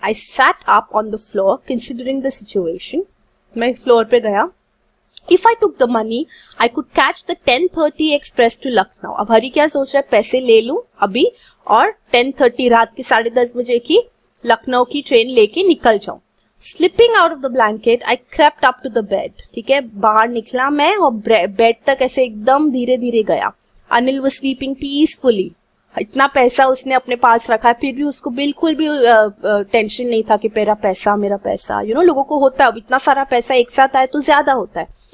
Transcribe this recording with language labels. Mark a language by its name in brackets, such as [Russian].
[English] I sat up on the floor considering the situation, [Hindi] मैं floor पे गया। [English] If I took the money I could catch the 10:30 express to Lucknow. [Hindi] अब हरी क्या सोच रहा है, पैसे ले लूं अभी और 10:30 रात के 10:30 बजे की लखनऊ की ट्रेन लेके निकल जाऊं। [English] Slipping out of the blanket, I crept up to the bed. [Hindi] ठीक है, बाहर निकला मैं और बेड तक ऐसे एकदम धीरे धीरे गया। [English] Anil was sleeping peacefully. [Hindi] इतना पैसा उसने अपने पास रखा है, फिर भी उसको बिल्कुल भी टेंशन नहीं था कि मेरा पैसा, [English] you know, [Hindi] लोगों को होता है, इतना सारा पैसा एक साथ आए तो ज्यादा होता है।